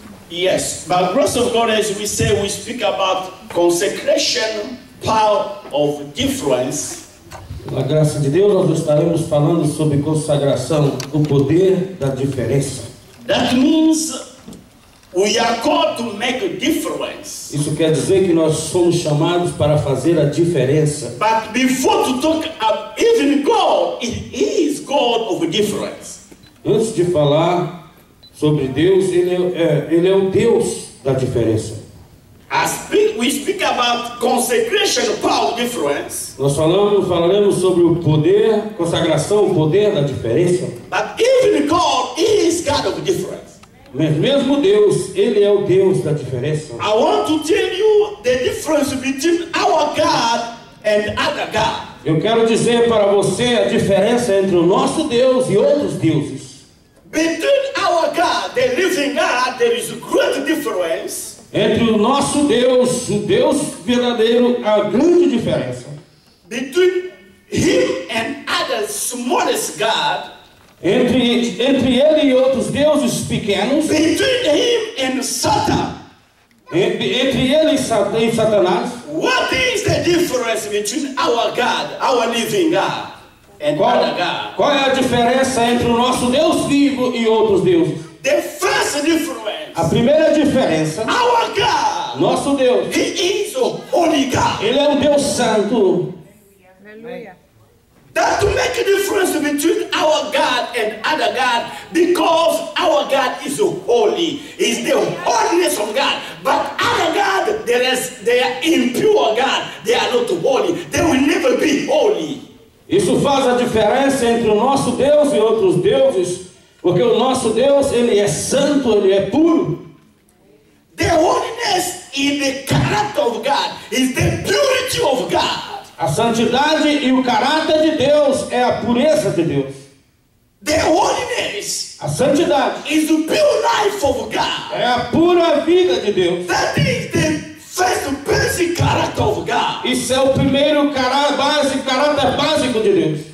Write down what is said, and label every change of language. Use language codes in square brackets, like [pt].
[en] Yes, but grace of God, as we say, we speak about consecration, power of difference. [pt] Na graça de Deus, nós estaremos falando sobre consagração, o poder da diferença. [en] That means we are called to make a difference. [pt] Isso quer dizer que nós somos chamados para fazer a diferença. [en] But before to talk about even God, He is God of difference. [pt] Antes de falar sobre Deus, ele é o Deus da diferença. [en] We speak about consecration, power, difference. [pt] Nós falamos sobre o poder, consagração, o poder da diferença. [en] But even God is God of difference. [pt] Mas mesmo Deus, ele é o Deus da diferença. [en] I want to tell you the difference between our God and other God. [pt] Eu quero dizer para você a diferença entre o nosso Deus e outros deuses. [en] Between our God, the living God, there is a great difference. [pt] Entre o nosso Deus, o Deus verdadeiro, há grande diferença. [en] Between him and other smallest God, [pt] entre ele e outros deuses pequenos. [en] Between him and Satan, [pt] entre ele e Satanás. [en] What is the difference between our God, our living God, and other God? [pt] Qual é a diferença entre o nosso Deus vivo e outros deuses? [en] The first difference. [pt] A primeira diferença. [en] Our God. [pt] Nosso Deus. [en] He is a holy God. [pt] Ele é um Deus santo. [en] That to make a difference between our God and other God, because our God is holy, is the holiness of God. But other God, they are impure God. They are not holy. They will never be holy. [pt] Isso faz a diferença entre o nosso Deus e outros deuses. Porque o nosso Deus, ele é santo, ele é puro. [en] The holiness in the character of God is the purity of God. [pt] A santidade e o caráter de Deus é a pureza de Deus. [en] The holiness. [pt] A santidade [en] is the pure life of God. [pt] É a pura vida de Deus. [en] That is the first basic character of God. [pt] Isso é o primeiro caráter básico de Deus.